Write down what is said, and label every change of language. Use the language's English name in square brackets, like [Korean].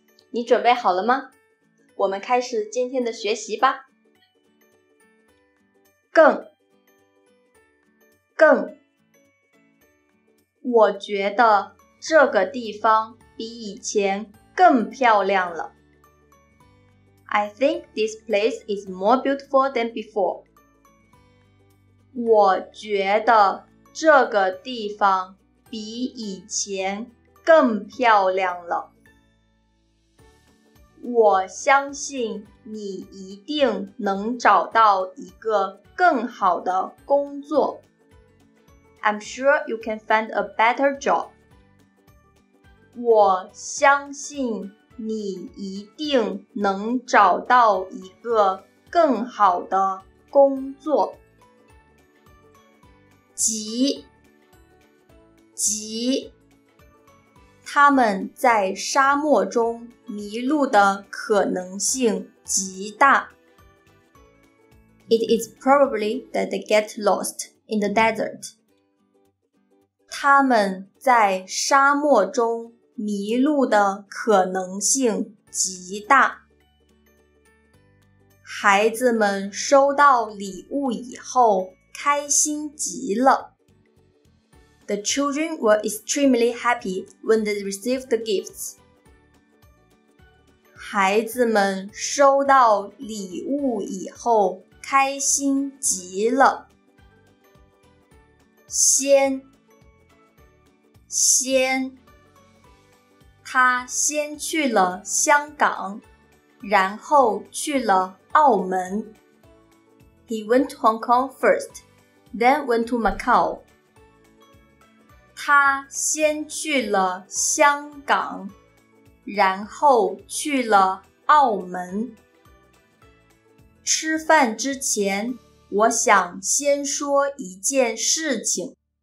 [Chinese] 你准备好了吗？我们开始今天的学习吧。更，更。我觉得这个地方比以前更漂亮了。 [English] I think this place is more beautiful than before. [Chinese] 我觉得这个地方比以前更漂亮了。我相信你一定能找到一个更好的工作。 [English] I'm sure you can find a better job. [Chinese] 我相信你一定能找到一个更好的工作。急，急。他们在沙漠中迷路的可能性极大。 [English] It is probably that they get lost in the desert. [Chinese] 他们在沙漠中迷路的可能性极大。孩子们收到礼物以后开心极了。 [English] The children were extremely happy when they received the gifts. [Chinese] 孩子们收到礼物以后开心极了。先，先。他先去了香港，然后去了澳门。 [English] He went to Hong Kong first, then went to Macau. [Chinese] 他先去了香港，然后去了澳门。吃饭之前，我想先说一件事情。